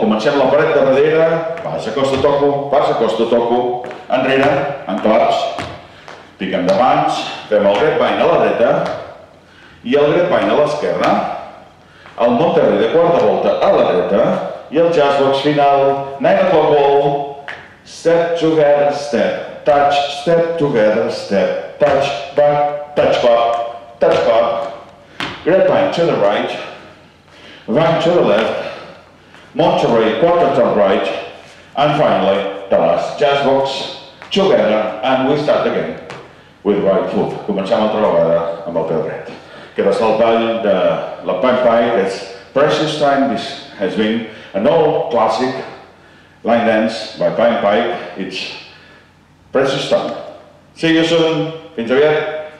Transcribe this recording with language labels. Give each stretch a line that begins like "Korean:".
Catalan: Comencem la paret de darrere, passa, costa, toco, passa, costa, toco, enrere, en claps, pica endavant, fem el grapevine a la dreta, i el grapevine a l'esquerra, el Monterrey de quarta volta a la dreta, i el jazz box final,
English: 9 o'clock wall, step together, step, touch, step together, step, touch, back, touch, back, touch, back. Grapevine to the right, vine to the left, Monterrey, quarter turn right, and finally, the last jazz box, together, and we start again with right foot.
Catalan: Comencem altra vegada amb el peu dret. Queda saltant de la Pam Pike,
English: it's Precious Time, this has been an old classic line dance by Pam Pike. It's Precious Time. See you soon.
Catalan: Fins aviat.